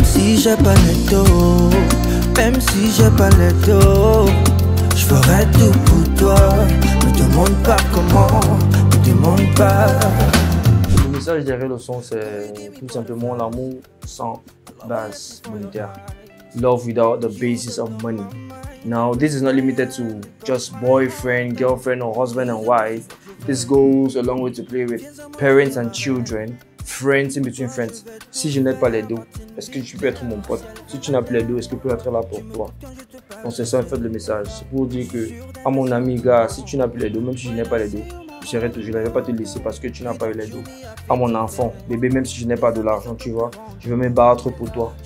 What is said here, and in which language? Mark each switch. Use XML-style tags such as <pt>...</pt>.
<fr>si j'ai pas netto, même si j'ai pas netto, je ferai tout pour toi. Me demande pas comment, me demande pas. Le message derrière le son, c'est tout simplement l'amour sans base monétaire.</fr> <en>Love without the basis of money. Now, this is not limited to just boyfriend, girlfriend, or husband and wife. This goes a long way to play with parents and children, friends in between friends.</en> <fr>Si je n'ai pas les deux, est-ce que tu peux être mon pote? Si tu n'as pas les deux, est-ce que je peux être là pour toi? Donc, c'est ça en fait le message. C'est pour dire que, à mon ami, gars, si tu n'as plus les deux, même si je n'ai pas les deux, je serai toujours là. Je ne vais pas te laisser parce que tu n'as pas eu les deux. À mon enfant, bébé, même si je n'ai pas de l'argent, tu vois, je vais me battre pour toi.</fr>